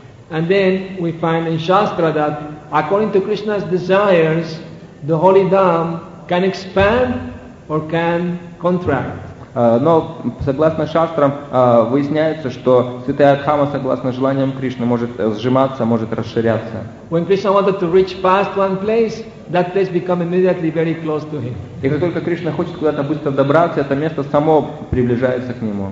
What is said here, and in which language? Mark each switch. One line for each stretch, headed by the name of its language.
English: And then we find in Shastra that according to Krishna's desires, the holy dham can expand or can contract.
Russian: Но согласно шастрам выясняется, что святая Дхамма согласно желаниям Кришны может сжиматься, может расширяться.
English: When Krishna wanted to reach past one place, that place become immediately very close to him.
Russian: И как только Кришна хочет куда-то быстро добраться, это место само приближается к нему.